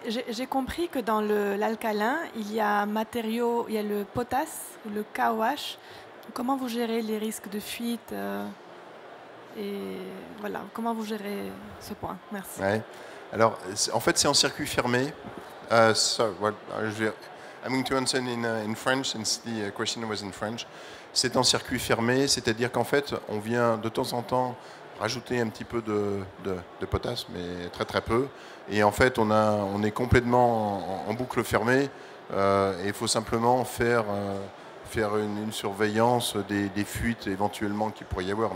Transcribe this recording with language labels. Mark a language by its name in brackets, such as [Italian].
[French] J'ai compris que dans l'alcalin, il y a matériaux, il y a le potasse, le KOH. Comment vous gérez les risques de fuite et voilà, comment vous gérez ce point? Merci. Ouais. Alors, en fait, c'est en circuit fermé. [English] I'm going to answer in French, since the question was in French. [French] C'est en circuit fermé, c'est-à-dire qu'en fait, on vient de temps en temps rajouter un petit peu de potasse, mais très très peu. Et en fait, on est complètement en boucle fermée. Et il faut simplement faire une surveillance des fuites éventuellement qu'il pourrait y avoir.